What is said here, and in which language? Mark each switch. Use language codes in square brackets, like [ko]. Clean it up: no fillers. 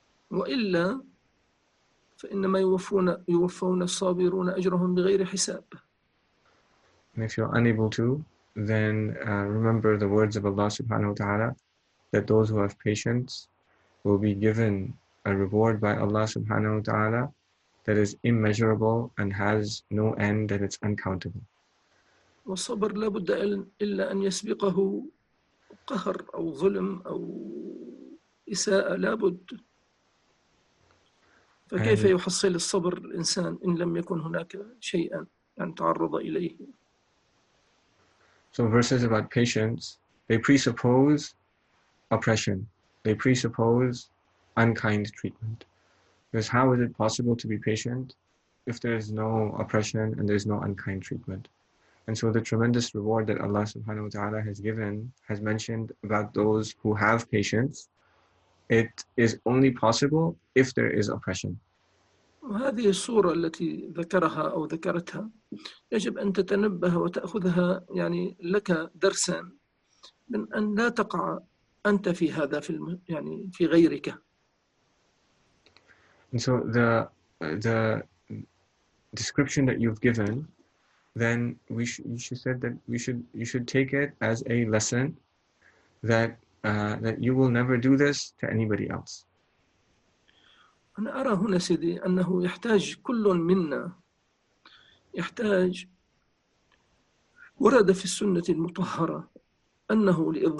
[ar] وإلا فإنما يوفون الصابرون أجرهم بغير حساب. [en] And if you're unable to, then remember the words of Allah subhanahu wa ta'ala, that those who have patience will be given a reward by Allah subhanahu wa ta'ala that is immeasurable and has no end, that it's uncountable. [ar] والصبر لابد إلا أن يسبقه قهر أو ظلم أو إساءة لابد. فكيف يحصل الصبر الإنسان إن لم يكن هناك شيئا أن تعرض إليه؟ [en] So verses about patience, they presuppose oppression. They presuppose unkind treatment. Because how is it possible to be patient if there is no oppression and there is no unkind treatment? And so the tremendous reward that Allah subhanahu wa ta'ala has given, has mentioned about those who have patience, it is only possible if there is oppression. [ar] وهذه الصورة التي ذكرها أو ذكرتها يجب أن تتنبه وتأخذها يعني لك درسا من أن لا تقع أنت في هذا في يعني في غيرك. [en] And so the description that you've given, then you should take it as a lesson that that you will never do this to anybody else. [ar] أنا أرى هنا سيدي أنه يحتاج كل منا يحتاج ورد في السنة المطهرة أنه